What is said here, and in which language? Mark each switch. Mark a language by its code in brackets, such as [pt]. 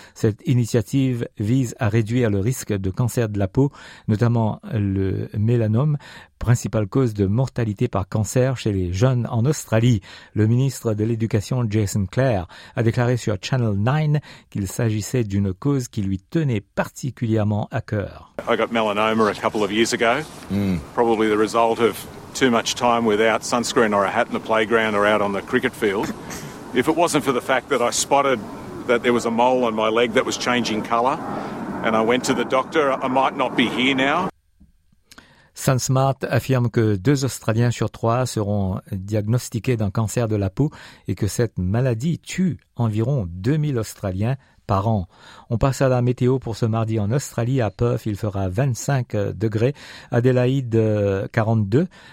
[fr] Cette initiative vise à réduire le risque de cancer de la peau, notamment le mélanome, principale cause de mortalité par cancer chez les jeunes en Australie. Le ministre de l'Éducation, Jason Clare, a déclaré sur Channel 9 qu'il s'agissait d'une cause qui lui tenait particulièrement à cœur. [en] I got melanoma a couple of years ago. Probably the result of too much time without sunscreen or a hat in the playground or out on the cricket field. If it wasn't for the fact that I spotted that there was a mole on my leg that was changing colour and I went to the doctor, I might not be here now. [fr] SunSmart affirme que 2 Australiens sur 3 seront diagnostiqués d'un cancer de la peau et que cette maladie tue environ 2000 Australiens par an. On passe à la météo pour ce mardi en Australie. À Perth, il fera 25 degrés. Adélaïde, 42.